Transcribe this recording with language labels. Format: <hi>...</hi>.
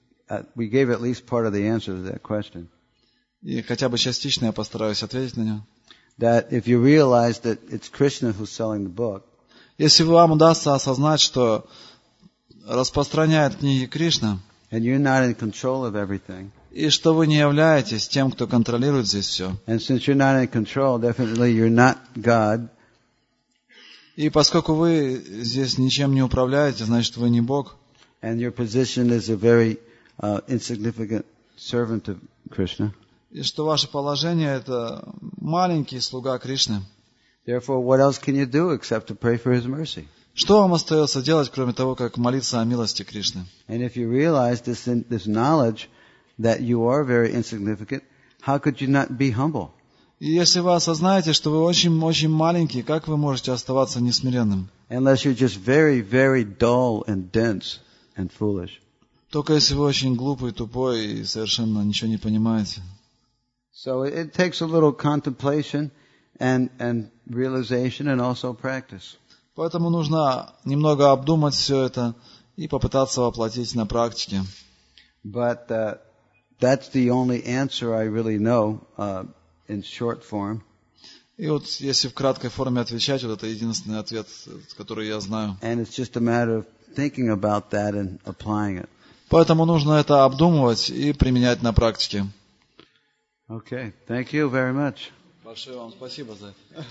<en>And we gave at least part of the answer to that question.</en> <ru>И хотя бы частично я постараюсь ответить на него.</ru> <en>That if you realize that it's Krishna who's selling the book,</en> <ru>если вам удастся осознать, что распространяет книги Кришна,</ru> <en>and you're not in control of everything,</en> <ru>и что вы не являетесь тем, кто контролирует здесь все,</ru> <en>and since you're not in control, definitely you're not God,</en> <ru>и поскольку вы здесь ничем не управляете, значит, вы не Бог,</ru> <en>and your position is a very insignificant servant of Krishna,</en> <ru>и что ваше положение – это маленький слуга Кришны,</ru> <en>therefore, what else can you do except to pray for His mercy?</en> <ru>Что вам остается делать, кроме того, как молиться о милости Кришны?</ru> <en>And if you realize this knowledge that you are very insignificant, how could you not be humble?</en> <ru>И если вы осознаете, что вы очень-очень маленький, как вы можете оставаться несмиренным?</ru> <en>Unless you're just very, very dull and dense and foolish.</en> <ru>Только если вы очень глупый, тупой и совершенно ничего не понимаете.</ru> <en>So it takes a little contemplation and realization and also practice.</en> <ru>Поэтому нужно немного обдумать все это и попытаться воплотить на практике.</ru> <en>But that's the only answer I really know in short form.</en> <ru>И вот если в краткой форме отвечать, вот это единственный ответ, который я знаю.</ru> <en>And it's just a matter of thinking about that and applying it.</en> <ru>Поэтому нужно это обдумывать и применять на практике.</ru> <en>Okay, thank you very much.</en> <ru>Большое вам спасибо за это.</ru>